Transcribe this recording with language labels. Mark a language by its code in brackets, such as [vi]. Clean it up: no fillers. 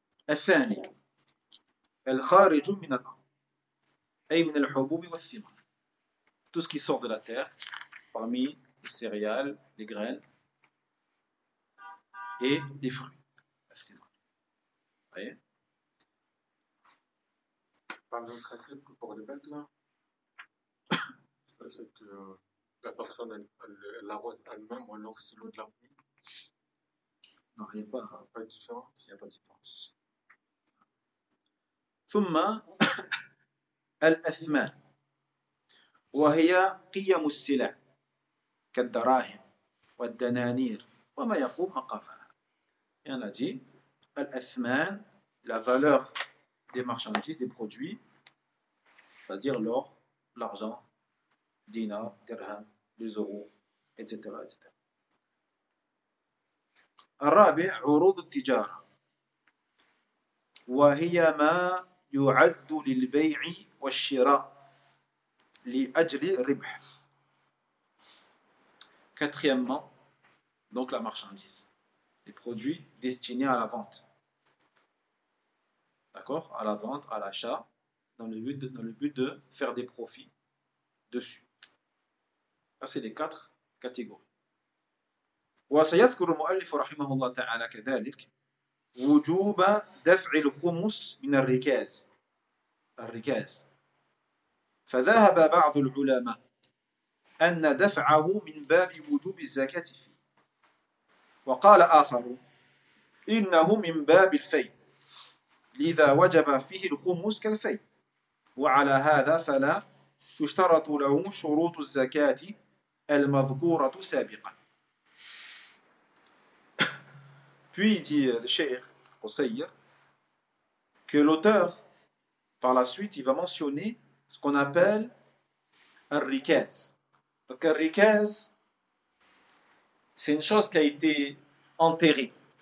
[ar] الثاني الخارج من الأرض أي من الحبوب والثمار. [fr] Tout ce qui sort de la terre, parmi les céréales, les graines et les fruits. Vous voyez ? Par le principe pour les bêtes là, c'est que la personne elle arrose elle-même ou alors c'est l'eau de la pluie. Non, il n'y a pas de différence. Il n'y a pas de différence. [ar] ثم الأثمان وهي قيم السلع كالدراهم والدنانير وما يقوم مقامها. [fr] On a dit الأثمان, la valeur des marchandises, des produits, c'est-à-dire l'or, l'argent, dinar, dirham, les euros, etc. etc. [ar] الرابع عروض التجارة وهي ما يعد للبيع والشراء لأجل الربح. [fr] Quatrièmement, donc la marchandise, les produits destinés à la vente. D'accord ? À la vente, à l'achat, dans le but de faire des profits dessus. Ça, c'est les quatre catégories. [ar] وسيذكر المؤلف رحمه الله تعالى كذلك وجوب دفع الخمس من الركاز. الركاز. فذهب بعض العلماء أن دفعه من باب وجوب الزكاة فيه. وقال آخر إنه من باب الفيء. لذا وجب فيه الخمس كالفيء. وعلى هذا فلا تشترط له شروط الزكاة المذكورة سابقا. [fr] Puis dit الشيخ قصير que l'auteur par la suite, il va mentionner ce qu'on appelle al-rikaz. Donc al-rikaz, c'est une chose qui a été enterrée.